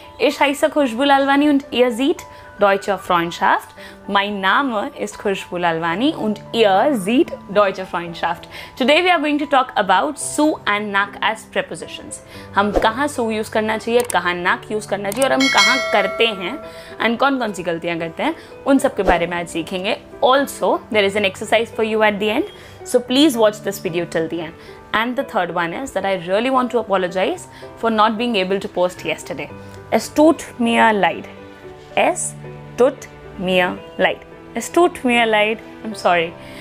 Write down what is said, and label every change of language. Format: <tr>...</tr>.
<de>Ich heiße Khushbu Lalwani und ihr seht Deutsche Freundschaft. Mein Name ist Khushbu Lalwani und ihr seht Deutsche Freundschaft.</de> <en>Today we are going to talk about so and nach as prepositions.</en> <hi>हम कहाँ so use करना चाहिए, कहाँ nach use करना चाहिए और हम कहाँ करते हैं and कौन कौन सी गलतियाँ करते हैं उन सब के बारे में आज सीखेंगे.</hi> <en>Also, there is an exercise for you at the end. So please watch this video till the end. And the third one is that I really want to apologize for not being able to post yesterday.</en> <de>Es tut mir leid. Es tut mir leid. Es tut mir leid.</de> <en>I'm sorry.</en>